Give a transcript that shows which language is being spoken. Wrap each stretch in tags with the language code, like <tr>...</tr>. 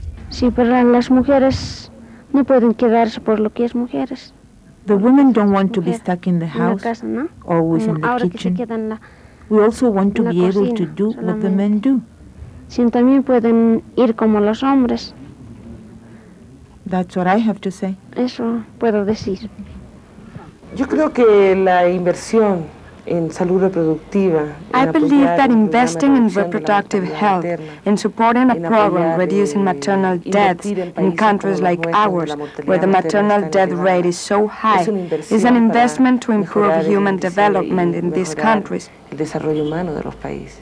<es>Sí, pero las mujeres no pueden quedarse por lo que es mujeres.</es> <en>The women don't want to be stuck in the house, always in the kitchen. We also want to be able to do what the men do.</en> <es>Sino también pueden ir como los hombres.</es> <en>That's what I have to say.</en> <es>Eso puedo decir. Yo creo que la inversión en salud reproductiva.</es> <en>I believe that investing in reproductive health, in supporting a program reducing maternal deaths in countries like ours, where the maternal death rate is so high, is an investment to improve human development in these countries.</en> <es>El desarrollo humano de los países.</es>